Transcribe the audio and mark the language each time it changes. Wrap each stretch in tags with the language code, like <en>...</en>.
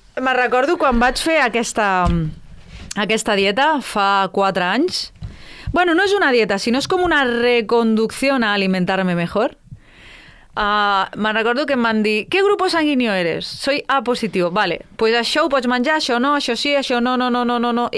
<ca>Me recordo quan vaig fer aquesta dieta fa 4 anys. Bueno, no és una dieta, sinó és com una reconducció a alimentar-me mejor. Me recordo que em van dir,</ca> <es>¿qué grupo sanguíneo eres? Soy A positivo.</es> <ca>Vale, pues això ho pots menjar, això no, això sí, això no, no, no, no, no, no.</ca>